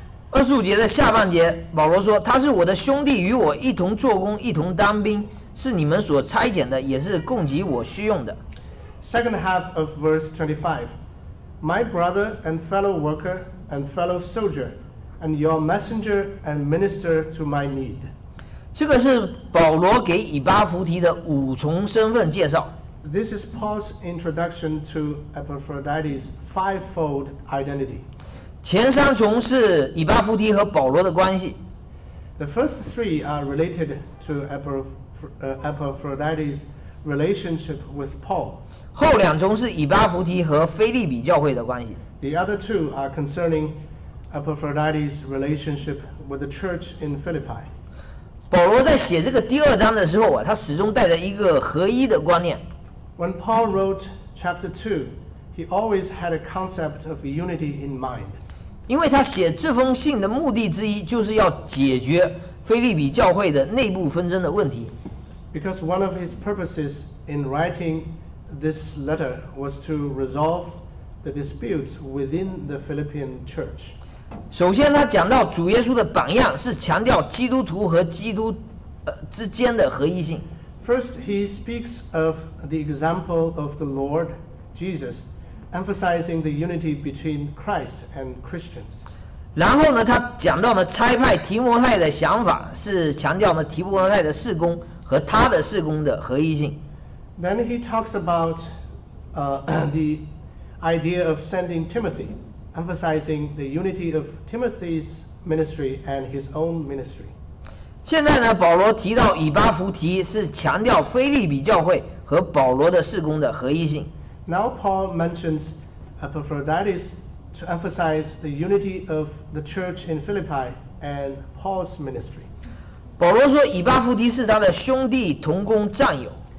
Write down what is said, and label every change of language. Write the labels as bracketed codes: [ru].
[zh] 二十五节的下半节，保罗说：“他是我的兄弟，与我一同做工，一同当兵，是你们所差遣的，也是供给我需用的。” [en] Second half of verse 25, my brother and fellow worker and fellow soldier, and your messenger and minister to my need. [zh] 这个是保罗给以巴弗提的五重身份介绍。 [en] This is Paul's introduction to Epaphroditus' fivefold identity. [zh] 前三重是以巴弗提和保罗的关系。 [en] The first three are related to Epaphroditus' relationship with Paul. [zh] 后两宗是以巴弗提和菲利比教会的关系。 [en] The other two are concerning Epaphroditus' relationship with the church in Philippi. [zh] 保罗在写这个第二章的时候啊，他始终带着一个合一的观念。 [en] When Paul wrote chapter 2, he always had a concept of unity in mind. [zh] 因为他写这封信的目的之一就是要解决腓立比教会的内部纷争的问题。 [en] Because one of his purposes in writing this letter was to resolve the disputes within the Philippian church. [zh] 首先他讲到主耶稣的榜样是强调基督徒和基督之间的合一性。 [en] First, he speaks of the example of the Lord Jesus, emphasizing the unity between Christ and Christians. [zh] 然后呢，他讲到了差派提摩太的想法，是强调了提摩太的事工和他的事工的合一性。 [en] Then he talks about the idea of sending Timothy, emphasizing the unity of Timothy's ministry and his own ministry. [zh] 现在呢，保罗提到以巴弗提是强调腓立比教会和保罗的事工的合一性。 [en] Now Paul mentions Epaphroditus to emphasize the unity of the church in Philippi and Paul's ministry. [zh] 保罗说以巴弗提是他的兄弟、同工、战友。